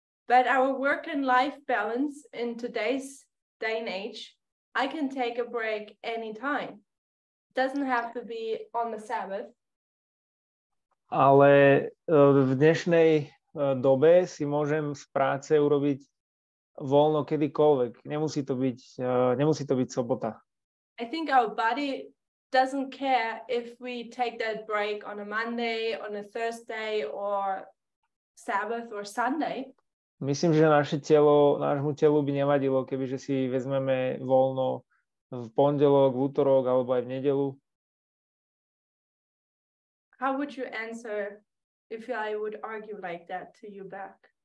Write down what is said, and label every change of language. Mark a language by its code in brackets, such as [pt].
[en] But our work and life balance in today's day and age, I can take a break anytime. Doesn't have to be on the Sabbath. [sk] Ale v dnešnej dobe si môžem z práce urobiť voľno kedykoľvek. Nemusí to byť sobota. [en] I think our body doesn't care if we take that break on a Monday, on a Thursday or Sabbath or Sunday. [sk] Myslím, že naše telo, nášmu telu by nevadilo, kebyže si vezmeme voľno v pondelok, v útorok alebo aj v nedeľu. [en] How would you answer if I would argue like that to you back?